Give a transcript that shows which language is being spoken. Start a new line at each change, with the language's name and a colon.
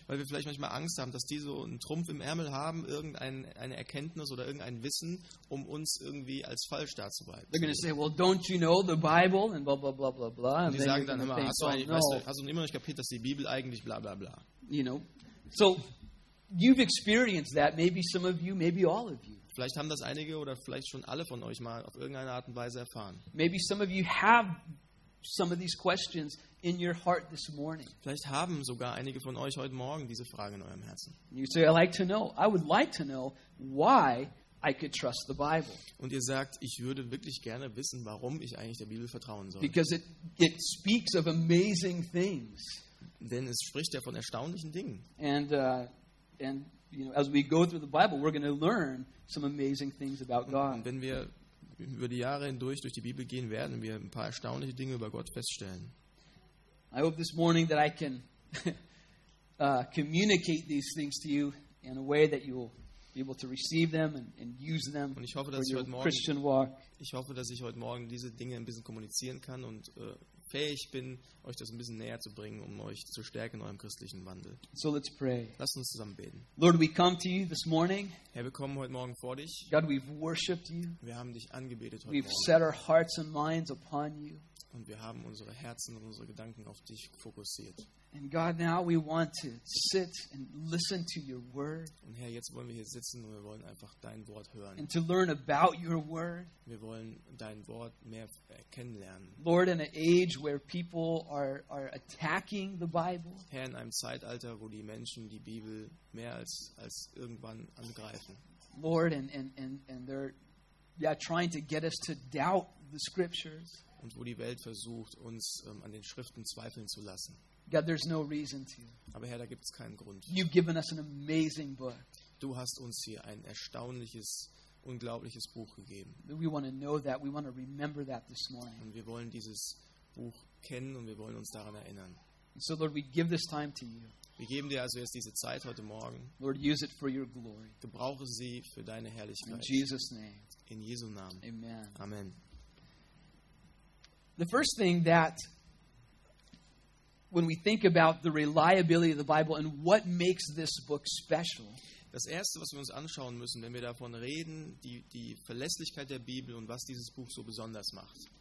German: Weil wir vielleicht manchmal Angst haben, dass die so einen Trumpf im Ärmel haben, irgendeine Erkenntnis oder irgendein Wissen, um uns irgendwie als falsch darzubieten.
English: They're going to say, well, don't you know the Bible and blah blah blah blah blah.
German: Und die sagen dann immer, hast du immer nicht kapiert, dass die Bibel eigentlich bla bla bla.
English: You know, so you've experienced that. Maybe some of you, maybe all of you.
German: Vielleicht haben das einige oder vielleicht schon alle von euch mal auf irgendeine Art und Weise erfahren.
English: Maybe some of you have some of these questions in your heart this morning.
German: Vielleicht haben sogar einige von euch heute Morgen diese Frage in eurem Herzen.
English: You say, I'd like to know. I would like to know why I could trust the Bible.
German: Und ihr sagt, ich würde wirklich gerne wissen, warum ich eigentlich der Bibel vertrauen soll.
English: Because it speaks of amazing things.
German: Denn es spricht ja von erstaunlichen Dingen.
English: And you know, as we go through the Bible, we're going to learn some amazing things about God.
German: Und wenn wir über die Jahre hindurch durch die Bibel gehen, werden wir ein paar erstaunliche Dinge über Gott feststellen.
English: I hope this morning that I can communicate these things to you in a way that you will be able to receive them and use them.
German: Und ich hoffe, dass ich heute Morgen
English: Christian walk.
German: Ich hoffe, dass ich heute Morgen diese Dinge ein bisschen kommunizieren kann und fähig bin, euch das ein bisschen näher zu bringen, um euch zu stärken in eurem christlichen Wandel.
English: So let's pray.
German: Lasst uns zusammen beten.
English: Lord, we come to you this morning.
German: Herr, wir kommen heute Morgen vor dich.
English: God, we've worshipped you.
German: Wir haben dich angebetet heute
English: we've
German: Morgen.
English: We've set our hearts and minds upon you.
German: Und wir haben unsere Herzen und unsere Gedanken auf dich fokussiert.
English: And God, now we want to sit and listen to your word.
German: Und Herr, jetzt wollen wir hier sitzen und wir wollen einfach dein Wort hören.
English: And to learn about your word.
German: Wir wollen dein Wort mehr kennenlernen.
English: Lord, in an age where people are attacking the Bible.
German: Herr, in einem Zeitalter, wo die Menschen die Bibel mehr als irgendwann angreifen.
English: Lord, and they're trying to get us to doubt the scriptures.
German: Und wo die Welt versucht, uns an den Schriften zweifeln zu lassen.
English: God, there's no reason to.
German: Aber Herr, da gibt es keinen Grund.
English: You've given us an amazing book.
German: Du hast uns hier ein erstaunliches unglaubliches Buch gegeben.
English: We want to know that. We want to remember that this morning.
German: Und wir wollen dieses Buch kennen und wir wollen uns daran erinnern.
English: So Lord, we give this time to you.
German: Wir geben dir also jetzt diese Zeit heute Morgen.
English: Lord, use it for your glory.
German: Gebrauche sie für deine Herrlichkeit.
English: In Jesus' name.
German: In Jesu Namen.
English: Amen.
German: Amen.
English: The first thing that when we think about the reliability of the Bible and what makes this book special.
German: Das erste, was wir uns anschauen müssen, wenn wir davon reden, die Verlässlichkeit der Bibel und was dieses Buch so besonders macht.